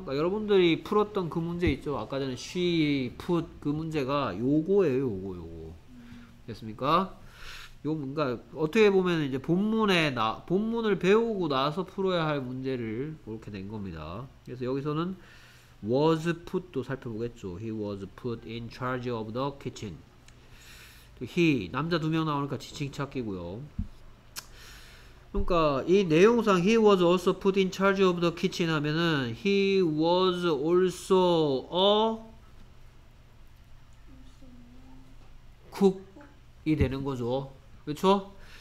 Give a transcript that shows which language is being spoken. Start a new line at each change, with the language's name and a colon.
Korean: 그러니까 여러분들이 풀었던 그 문제 있죠? 아까 전에
English: she put
Korean: 그 문제가 요거예요. 요거 요거. 됐습니까? 요 뭔가 그러니까 어떻게 보면 이제 본문을 배우고 나서 풀어야 할 문제를 그렇게 낸 겁니다. 그래서 여기서는 was put도 살펴보겠죠.
English: He was put in charge of the kitchen.
Korean: He 남자 두 명 나오니까 지칭 찾기고요. 그러니까 이 내용상
English: he was also put in charge of the kitchen
Korean: 하면은
English: he was also a cook
Korean: 이 되는 거죠. 그렇죠?